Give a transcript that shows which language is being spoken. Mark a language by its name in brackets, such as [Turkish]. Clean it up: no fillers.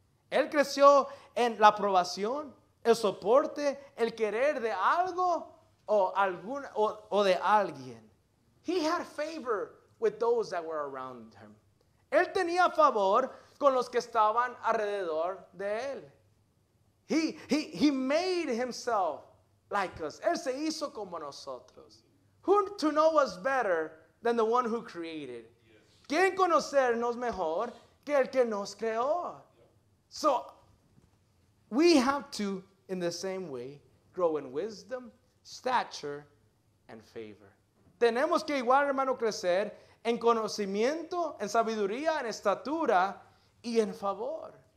[Spanish] Él creció en la aprobación, el soporte, el querer de algo o de alguien. [English] He had favor with those that were around him. [Spanish] Él tenía favor con los que estaban alrededor de él. [English] He made himself like us. [Spanish] Él se hizo como nosotros. [English] Who to know us better than the one who created? Yes. [Spanish] ¿Quién conocernos mejor que el que nos creó? [English] So, we have to, in the same way, grow in wisdom, stature, and favor. [Spanish] Tenemos que igual, hermano, crecer en conocimiento, en sabiduría, en estatura, y en favor.